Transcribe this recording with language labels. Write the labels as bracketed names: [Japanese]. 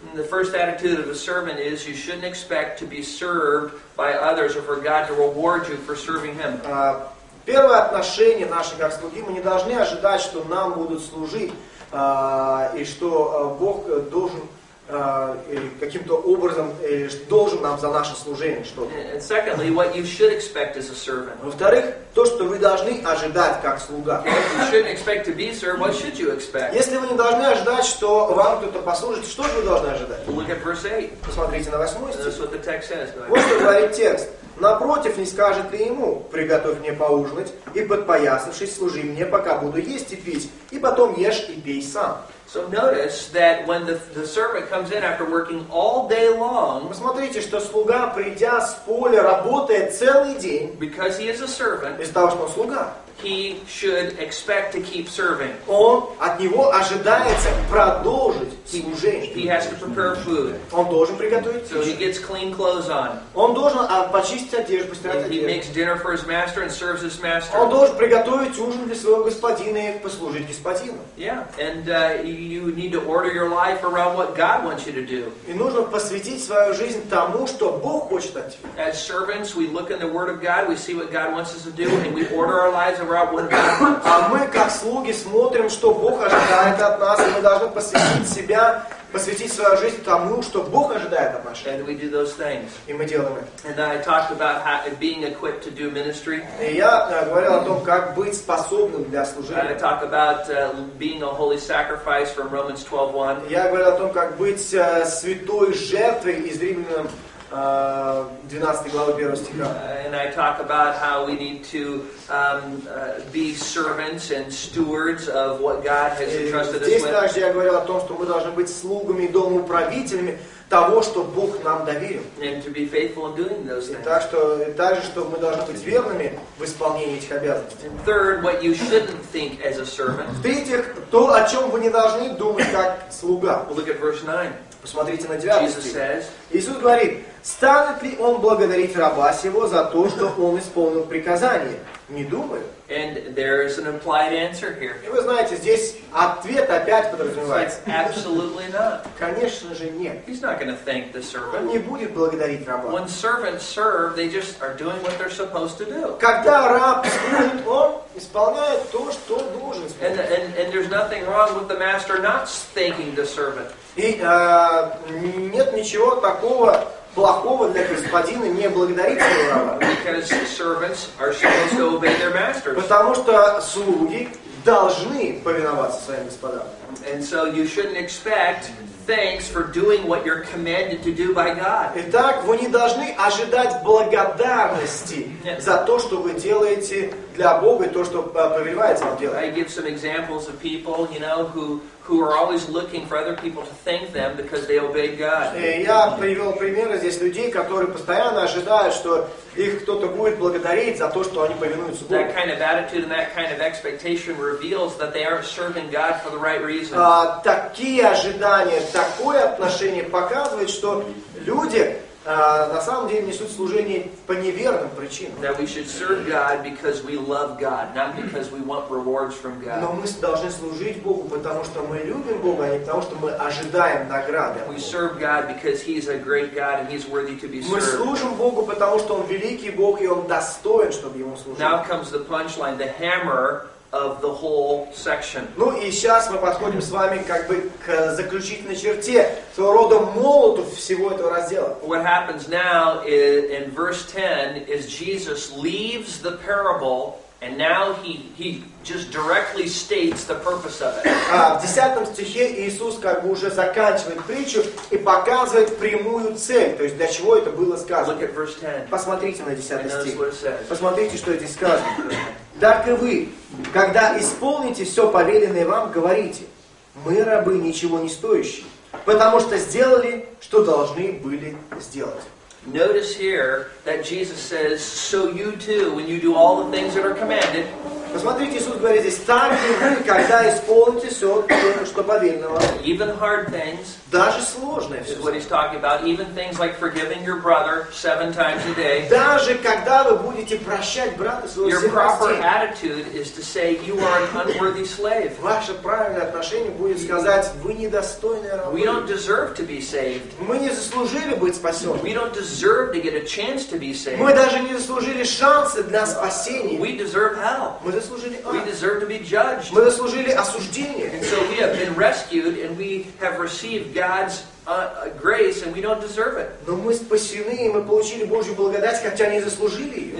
[English] The first attitude of a servant is you shouldn't expect to be served by others or for God to reward you for serving Him. [Russian] Первое отношение наше как слуги, мы не должны ожидать, что нам будут служить. И что Бог должен каким-то образом должен нам за наше служение что-то. [English] And secondly, what you should expect as a servant. [Russian] Во-вторых, то, что вы должны ожидать как слуга. [English] If you shouldn't expect to be served, what should you expect? [Russian] Если вы не должны ожидать, что вам кто-то послужит, что же вы должны ожидать? [English] Look at verse 8. [Russian] Посмотрите на 8 стих. [English] That's what the text says. [Russian] Вот что говорит текст. Напротив, не скажет ли ему, приготовь мне поужинать, и, подпоясавшись, служи мне, пока буду есть и пить, и потом ешь и пей сам. [English] So notice that when the servant comes in after working all day long, [Russian] посмотрите, что слуга, придя с поля, работая целый день, [English] because he is a servant, [Russian] из-за того, что он слуга, [English] he should expect to keep serving. [Russian] Он от него ожидается продолжить служение. [English] He has to prepare food. [Russian] Он должен приготовить. [English] So he gets clean clothes on. [Russian] Он должен почистить одежду, постирать одежду. [English] He makes dinner for his master and serves his master. [Russian] Он должен приготовить ужин для своего господина и послужить господину. [English] Yeah, and you need to order your life around what God wants you to do. [Russian] И нужно посвятить свою жизнь тому, что Бог хочет от тебя. [English] As servants, we look in the Word of God, we see what God wants us to do, and we order our lives. [Russian] А мы, как слуги, смотрим, что Бог ожидает от нас, и мы должны посвятить себя, посвятить свою жизнь тому, что Бог ожидает от нас. [English] And we do those things. [Russian] И мы делаем это. [English] And I talked about being equipped to do ministry. [Russian] И я говорил о том, как быть способным для служения. [English] And I talked about being a holy sacrifice from Romans 12:1. [Russian] Я говорил о том, как быть святой жертвой из Римлян 12 главы 1 стиха. [English] And I talk about how we need to be servants and stewards of what God has entrusted us with. [Russian] Здесь также я говорил о том, что мы должны быть слугами и домоуправителями того, что Бог нам доверил. [English] And to be faithful in doing those things. [Russian] Так что, также, что мы должны быть верными в исполнении этих обязанностей. [English] Third, what you shouldn't think as a servant. [Russian] В-третьих, то, о чем вы не должны думать как слуга. [English] Look at verse 9. [Russian] Посмотрите на 9 стих. [English] Jesus says, [Russian] Иисус говорит, станет ли он благодарить раба сего за то, что он исполнил приказание? Не думаю. [English] And there is an implied answer here. [Russian] И вы знаете, здесь ответ опять подразумевается. [English] Absolutely not. [Russian] Конечно же нет. [English] He's not going to thank the servant. [Russian] Он не будет благодарить раба. [English] When servants serve, they just are doing what they're supposed to do. [Russian] Когда раб служит, он исполняет то, что должен исполнять. [English] And there's nothing wrong with the master not thanking the servant. [Russian] И нет ничего такого плохого для господина не благодарить своего раба. [English] Because servants are supposed to obey their masters. [Russian] Потому что слуги должны повиноваться своим господам. [English] And so you shouldn't expect thanks for doing what you're commanded to do by God. [Russian] Итак, вы не должны ожидать благодарности за то, что вы делаете для Бога, и то, что повелевается вам делать. [English] I give some examples of people, you know, who are always looking for other people to thank them because they obeyed God. [Russian] Я привел примеры здесь людей, которые постоянно ожидают, что их кто-то будет благодарить за то, что они повинуются Богу. [English] That kind of attitude and that kind of expectation reveals that they aren't serving God for the right reason. [Russian] Такие ожидания, такое отношение показывает, что люди на самом деле несут служение по неверным причинам. [English] That we should serve God because we love God, not because we want rewards from God. [Russian] Но мы должны служить Богу, потому что мы любим Бога, а не потому что мы ожидаем награды. [English] We serve God because He is a great God and He's worthy to be served. [Russian] Мы служим Богу, потому что Он великий Бог и Он достоин, чтобы Ему служить. [English] Now comes the punchline, the hammer of the whole section. [Russian] Ну и сейчас мы подходим с вами как бы к заключительной черте, своего рода молоту всего этого раздела. [English] What happens now is, in verse 10 is Jesus leaves the parable and now he just directly states the purpose of it. [Russian] В 10 стихе Иисус как бы уже заканчивает притчу и показывает прямую цель, то есть для чего это было сказано. [English] Look at verse 10. [Russian] Посмотрите на 10 стих. [English] I know what it says. [Russian] Посмотрите, что здесь сказано. Так и вы, когда исполните все поверенное вам, говорите, мы рабы ничего не стоящие, потому что сделали, что должны были сделать. [English] Notice here that Jesus says, so you too, when you do all the things that are commanded. [Russian] Посмотрите, Иисус говорит здесь, так и вы, когда исполните все, что поверено вам. [English] Even hard things. [Russian] Даже сложное все. [English] Is what he's talking about. Even things like forgiving your brother 7 times a day. [Russian] Даже когда вы будете прощать брата своего 7 раз в день. [English] Your proper attitude is to say, you are an unworthy slave. [Russian] Ваше правильное отношение будет сказать, вы недостойный раб. [English] We don't deserve to be saved. [Russian] Мы не заслужили быть спасенными. [English] We don't deserve to get a chance to be saved. [Russian] Мы даже не заслужили шансы для спасения. [English] We deserve hell. [Russian] Мы заслужили ад. [English] We deserve to be judged. [Russian] Мы заслужили осуждение. [English] And so we have been rescued and we have received God's grace and we don't deserve it. [Russian] Но мы спасены, и мы получили Божью благодать, хотя не заслужили ее.